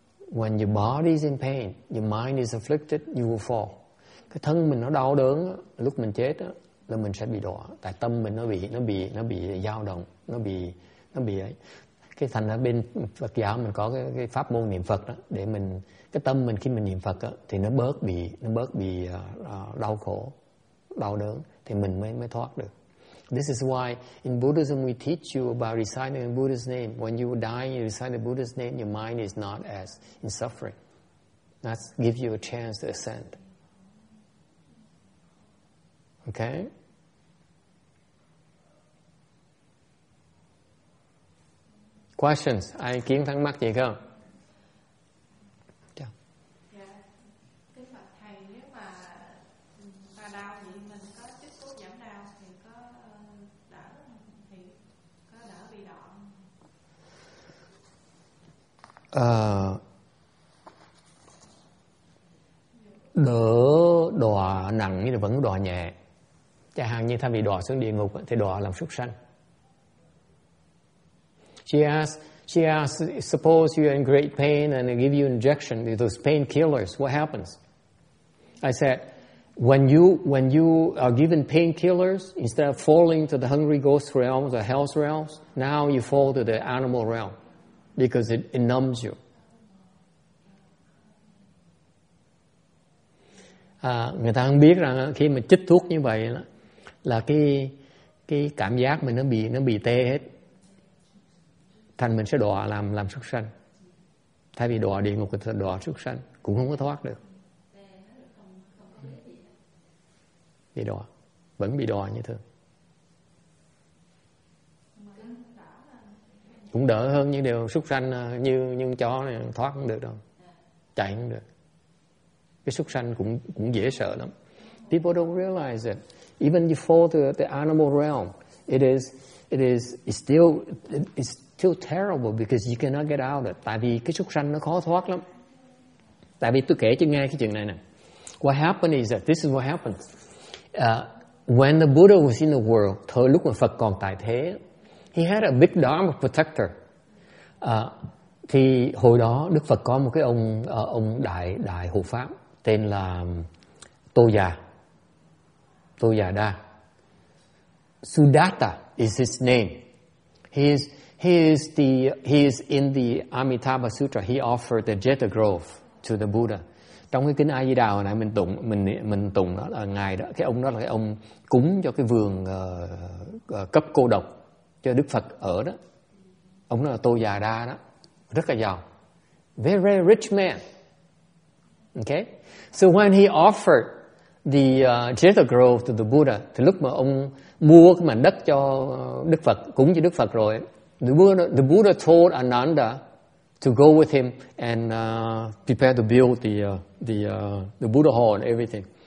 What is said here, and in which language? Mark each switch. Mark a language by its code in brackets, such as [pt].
[en] When your body is in pain, your mind is afflicted, you will fall. [vi] Cái thân mình nó đau đớn lúc mình chết đó, là mình sẽ bị đọa, tại tâm mình nó bị dao động, nó bị ấy. Cái thành ở bên Phật giáo mình có cái pháp môn niệm Phật đó, để mình cái tâm mình khi mình niệm Phật đó, thì nó bớt bị đau khổ, đau đớn, thì mình mới thoát được. [en] This is why in Buddhism we teach you about reciting the Buddha's name. When you die, you recite the Buddha's name, your mind is not as in suffering. That gives you a chance to ascend. Okay? Questions? [vi] Ai kiến thắc mắc gì không? Đỡ đọa nặng như là vẫn đọa nhẹ. Chẳng hạn như thay vì đọa xuống địa ngục thì đọa làm súc sanh. [en] She asks, suppose you're in great pain and they give you injection with those painkillers. What happens? I said, when you are given painkillers, instead of falling to the hungry ghost realm, the hell's realms, now you fall to the animal realm. Because it numbs you. [vi] Người ta không biết rằng khi mà chích thuốc như vậy là cái cảm giác mình nó bị tê hết. Thành mình sẽ đọa làm súc sanh. Thay vì đọa địa ngục thì đọa súc sanh, cũng không có thoát được. Bị đọa, vẫn bị đọa như thường. Cũng đỡ hơn những điều súc sanh như chó này, thoát không được đâu. Chạy không được. Cái súc sanh cũng dễ sợ lắm. [en] People don't realize it. Even you fall to the animal realm, it's still terrible because you cannot get out of it. [vi] Tại vì cái súc sanh nó khó thoát lắm. Tại vì tôi kể cho nghe cái chuyện này nè. [en] What happened is that this is what happens. When the Buddha was in the world, [vi] thời lúc mà Phật còn tại thế, [en] he had a big dharma protector. [vi] Thì hồi đó Đức Phật có một cái ông đại hộ pháp tên là Tô Già Đa. [en] Siddhartha is his name. He is in the Amitabha Sutra. He offered the Jeta Grove to the Buddha. [vi] Trong cái kinh A Di Đà hồi nãy mình tụng đó là ngài đó, cái ông đó là cái ông cúng cho cái vườn cấp cô độc cho Đức Phật ở đó. Ông đó là Tô Già Đa đó, rất là giàu. [en] Very, very rich man. Okay? So when he offered the Jeta Grove to the Buddha, [vi] thì lúc mà ông mua cái mảnh đất cho Đức Phật, cúng cho Đức Phật rồi, [en] the Buddha told Ananda to go with him and prepare to build the Buddha hall and everything.